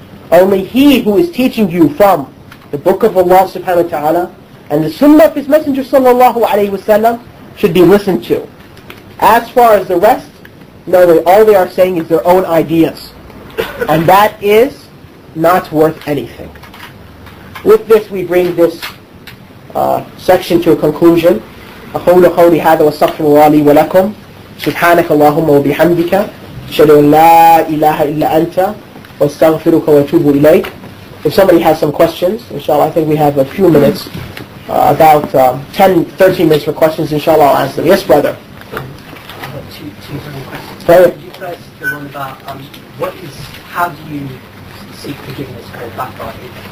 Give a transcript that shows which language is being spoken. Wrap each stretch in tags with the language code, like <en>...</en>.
<en>Only he who is teaching you from the Book of Allah subhanahu wa ta'ala and the Sunnah of his Messenger sallallahu alaihi wasallam should be listened to. As far as the rest, no, all they are saying is their own ideas. And that is not worth anything. With this, we bring this section to a conclusion.</en> <ar>أقول قولي هذا واستغفر الله لي ولكم سبحانك اللهم وبحمدك أشهد أن لا إله إلا أنت واستغفرك وأتوب إليك.</ar> <en>If somebody has some questions, inshallah, I think we have a few minutes, about 10-13 minutes for questions, inshallah, I'll ask them. Yes, brother. I have two questions. Could you first go on about how do you seek forgiveness or backbiting?</en>